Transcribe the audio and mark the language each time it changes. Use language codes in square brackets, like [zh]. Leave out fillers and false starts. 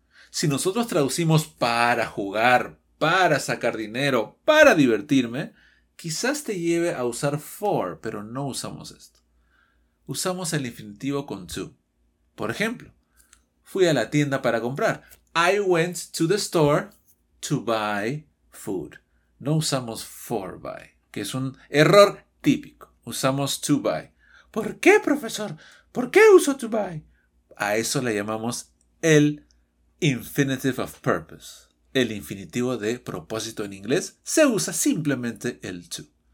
[es] Si nosotros traducimos para jugar, para sacar dinero, para divertirme, quizás te lleve a usar for, pero no usamos esto. Usamos el infinitivo con to. Por ejemplo, fui a la tienda para comprar. [en] I went to the store to buy food. [es] No usamos for buy, que es un error típico. Usamos to buy. ¿Por qué, profesor? ¿Por qué uso to buy? A eso le llamamos el infinitive of purpose. El infinitivo de propósito en inglés se usa simplemente el to.